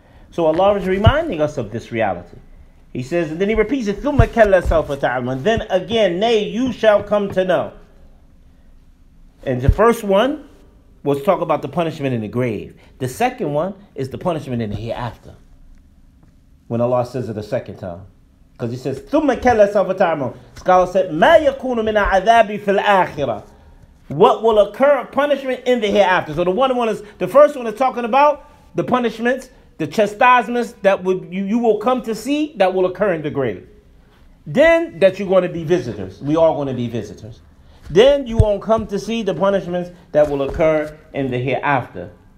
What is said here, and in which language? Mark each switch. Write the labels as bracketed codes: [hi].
[en] So Allah is reminding us of this reality. He says, and then he repeats it, [ar] ثُمَّ كَلَّ سَوْفَ تَعْلَمُ. [en] Then again, nay, you shall come to know. And the first one was talk about the punishment in the grave. The second one is the punishment in the hereafter. When Allah says it a second time. Because he says, [ar] ثُمَّ كَلَّ سَوْفَ تَعْلَمُ. [en] Scholars said, [ar] مَا يَكُونُ مِنَ عَذَابِ فِي الْآخِرَةِ. [en] What will occur of punishment in the hereafter? So the first one is talking about the punishments, the chastisements that would you will come to see that will occur in the grave. Then that you're going to be visitors. We are going to be visitors. Then you won't come to see the punishments that will occur in the hereafter.